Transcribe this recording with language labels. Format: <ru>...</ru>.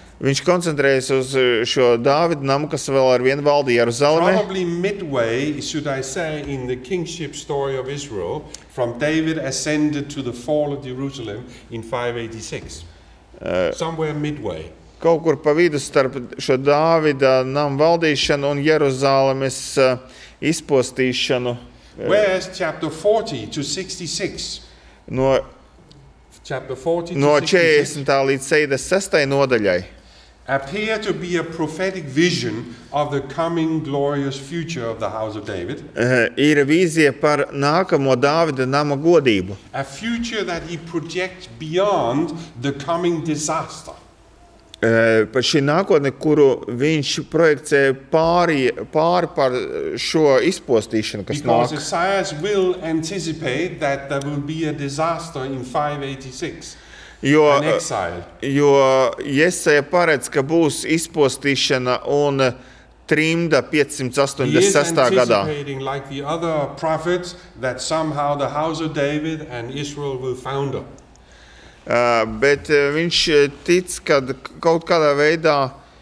<lv>Viņš koncentrējas uz šo Dāvida namu, kas vēl ar vienu valdīja Jeruzalemē.</lv> <en>Probably midway, should I say, in the kingship story of Israel, from David ascended to the fall of Jerusalem in 586. Somewhere midway.</en> <lv>Kaut kur pa vidu starp šo Dāvida namu valdīšanu un Jeruzalemes izpostīšanu.</lv> <en>Where is chapter 40 to 66?</en> <lv>No,</lv> <en>chapter 40 to 66.</en> <lv>No 40. Līdz 66. Nodaļai.</lv> <en>Appear to be a prophetic vision of the coming glorious future of the house of David.</en> <lv>Ir vīzija par nākamo Dāvida nama godību.</lv> <en>A future that he projects beyond the coming disaster.</en> <lv>Par šī nākotne, kuru viņš projekcē pāri par šo izpostīšanu, kas</lv> <en>Because</en> <lv>nāk.</lv> <en>Because Isaiah will anticipate that there will be a disaster in 586,</en> <lv>jo,</lv> <en>an exile.</en> <lv>Jo Jesaja paredz, ka būs izpostīšana un trimda 586.</lv> <en>He is anticipating</en> <lv>gadā.</lv> <en>Like the other prophets that somehow the house of David and Israel will founder.</en> <lv>Bet viņš tic, ka kaut kādā veidā</lv>